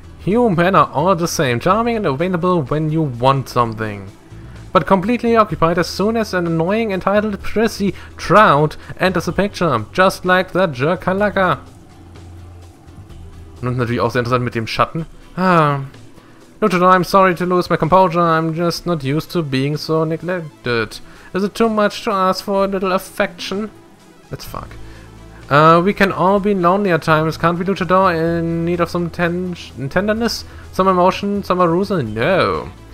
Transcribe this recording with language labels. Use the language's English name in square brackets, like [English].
[English] You men are all the same, charming and available when you want something. But completely occupied as soon as an annoying entitled prissy trout enters the picture, just like that jerkalaka. [German] Und natürlich auch sehr interessant mit dem Schatten. [English] Luchador, I'm sorry to lose my composure, I'm just not used to being so neglected. Is it too much to ask for a little affection? Let's fuck. We can all be lonely at times, can't we, Luchador? In need of some tenderness? Some emotion? Some arousal? No.